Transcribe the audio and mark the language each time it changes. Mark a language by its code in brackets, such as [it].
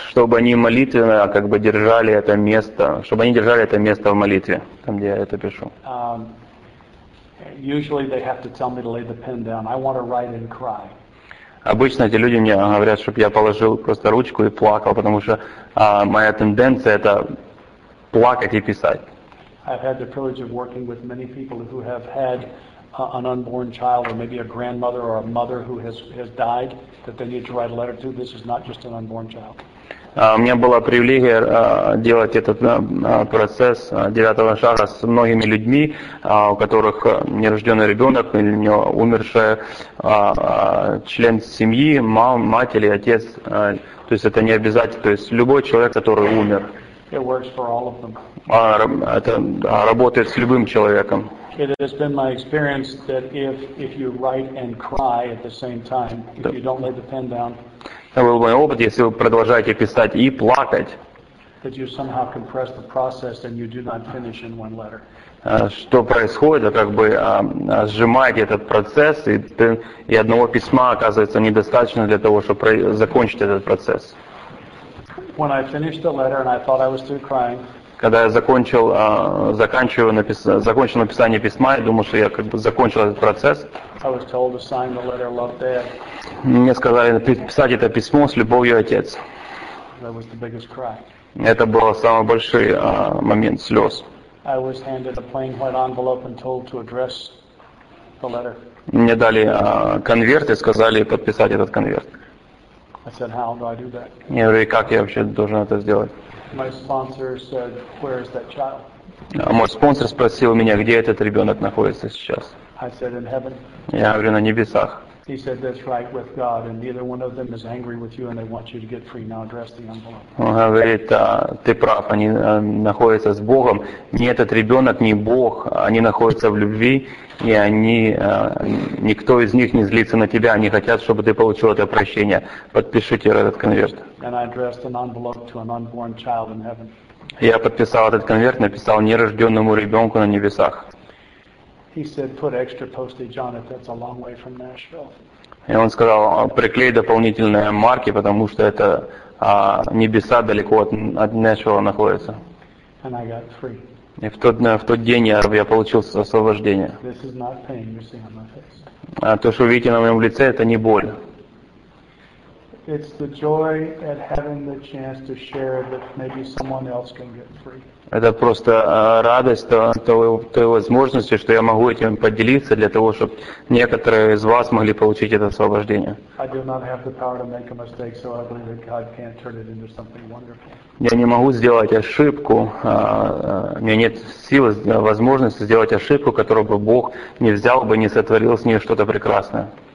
[ru] Чтобы они молитвенно как бы держали это место, чтобы они держали это место в молитве, там, где я это пишу. [en] Usually they have to tell me to lay the pen down. I want to write and cry. [ru] Обычно эти люди мне говорят, чтобы я положил просто ручку и плакал, потому что моя тенденция — это плакать и писать. [en] I've had the privilege of working with many people who have had an unborn child, or maybe a grandmother or a mother who has died that they need to write a letter to. This is not just an unborn child. [ru] У меня была привилегия делать этот процесс девятого шага с многими людьми, у которых нерожденный ребенок или у него умершая член семьи, мать или отец. То есть это не обязательно. То есть любой человек, который умер. [en] It works for all of them. [ru] Это работает с любым человеком. [en] It has been my experience that if you write and cry at the same time, if you don't lay the pen down, [ru] это был мой опыт, если вы продолжаете писать и плакать, что происходит, как бы сжимаете этот процесс, и одного письма оказывается недостаточно для того, чтобы закончить этот процесс. [en] When I finished the letter and I thought I was through crying, [ru] когда я закончил написание письма, я думал, что я как бы закончил этот процесс. [en] I was told to sign the letter, "Love, Dad." [ru] Мне сказали написать это письмо с любовью, отец. [en] That was the biggest cry. [ru] Это был самый большой момент слез. [en] I was handed a plain white envelope and told to address the letter. [ru] Мне дали конверт и сказали подписать этот конверт. [en] I said, "How do I do that?" [ru] Я говорю, как я вообще должен это сделать? [en] My sponsor said, "Where is that child?" [ru] Мой спонсор спросил меня, где этот ребенок находится сейчас. [en] I said, "In heaven." [ru] Я говорю, на небесах. [en] He said, "That's right with God, and neither one of them is angry with you, and they want you to get free." Now address the envelope. [ru] Он говорит, ты прав, они находятся с Богом. Ни этот ребенок, ни Бог, они находятся в любви, и они, никто из них не злится на тебя, они хотят, чтобы ты получил это прощение. Подпишите этот конверт. [en] And I addressed an envelope to an unborn child in heaven. [ru] Я подписал этот конверт, написал нерожденному ребенку на небесах. [en] He said, "Put extra postage on it. That's a long way from Nashville." [ru] И он сказал, приклей дополнительные марки, потому что это небеса далеко от Нэшвилла находятся. [en] And I got free. [ru] И в тот день я получил освобождение. [en] This is not pain you see on my face. [ru] То, что вы видите на моем лице, это не боль. [en] It's the joy at having the chance to share that maybe someone else can get free. [ru] Это просто радость той возможности, что я могу этим поделиться для того, чтобы некоторые из вас могли получить это освобождение. Я не могу сделать ошибку, у меня нет силы, возможности сделать ошибку, которую бы Бог не взял бы, не сотворил с ней что-то прекрасное.